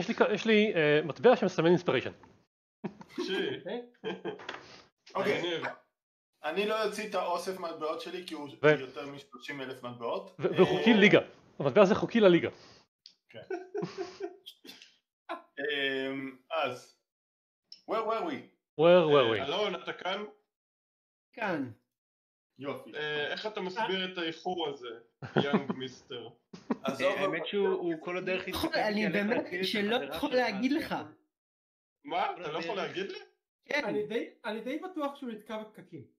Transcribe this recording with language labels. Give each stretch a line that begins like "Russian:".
Hebrew: יש לי מטבע שמסמן אינספיריישן. אוקיי, אני לא אציא את האוסף מטבעות שלי כי הוא יותר מ-30,000 מטבעות. והוא חוקי ליגה, המטבע הזה חוקי לליגה.
English: אז, where were we? where were we?
Hebrew: אלון, אתה כאן? כאן. יופי. איך אתה מסביר את האיחור הזה,
English: יאנג מיסטר?
Hebrew: האמת שהוא כל הדרך התחיל... אני באמת שלא יכול להגיד לך. מה? אתה לא יכול להגיד לי? כן. אני די בטוח שהוא נתקע בפקקים.